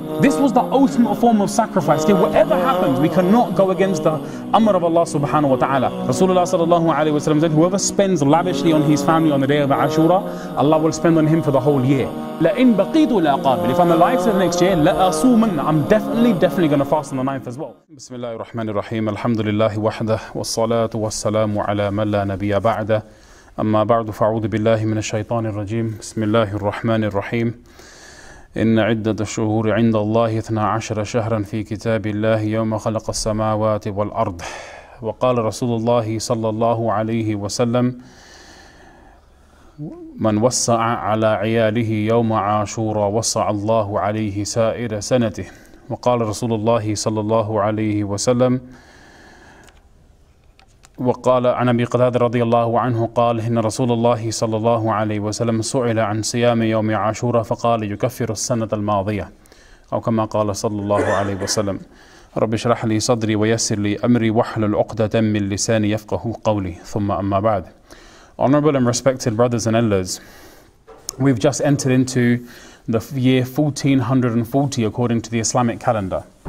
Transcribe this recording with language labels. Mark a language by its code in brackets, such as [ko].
[en] This was the ultimate form of sacrifice. Okay, whatever happens, we cannot go against the Amr of Allah subhanahu wa ta'ala. Rasulullah sallallahu alayhi wa sallam said, whoever spends lavishly on his family on the day of Ashura, Allah will spend on him for the whole year. [ar] لَإِنْ بَقِيدُ لَأَقَابِلِ [en] If I'm alive till the next year, [ar] لَأَصُومًا [en] I'm definitely going to fast on the 9th as well. [ar] بسم الله الرحمن الرحيم الحمد لله وحده والصلاة والسلام على من لا نبي بعده أما بعد فأعوذ بالله من الشيطان الرجيم بسم الله الرحمن الرحيم إن عدة الشهور عند الله 12 شهرا في كتاب الله يوم خلق السماوات والأرض وقال رسول الله صلى الله عليه وسلم من وسع على عياله يوم عاشورا وسع الله عليه سائر سنته وقال رسول الله صلى الله عليه وسلم وقال عن أبي قتادة رضي الله عنه قال إن رسول الله صلى الله عليه وسلم سئل عن صيام يوم عاشورا فقال يكفر السنة الماضية أو كما قال صلى الله عليه وسلم رب اشرح لي صدري ويسر لي أمري واحلل عقدة من لساني يفقه قولي ثم أما بعد. [en] Honorable and respected brothers and elders, we've just entered into the year 1440 according to the Islamic calendar.